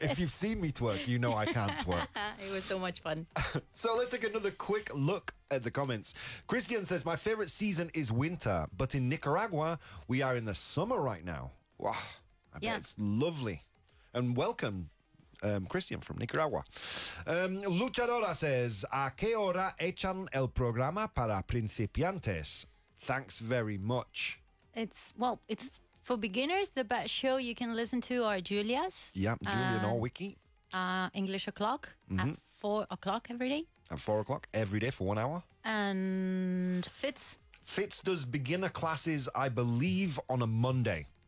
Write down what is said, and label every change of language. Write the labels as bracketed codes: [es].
[en] If you've seen me twerk, you know I can't twerk. It was so much fun. So let's take another quick look at the comments. Christian says, my favorite season is winter, but in Nicaragua, we are in the summer right now. Wow. I bet it's lovely. And welcome. Christian from Nicaragua. [es] Luchadora says, ¿A qué hora echan el programa para principiantes? [en] Thanks very much. It's for beginners. The best show you can listen to are Julia's. Yeah, Julia Norwicki. English O'Clock at 4 o'clock every day. At 4 o'clock every day for 1 hour. And Fitz. Fitz does beginner classes, I believe, on a Monday.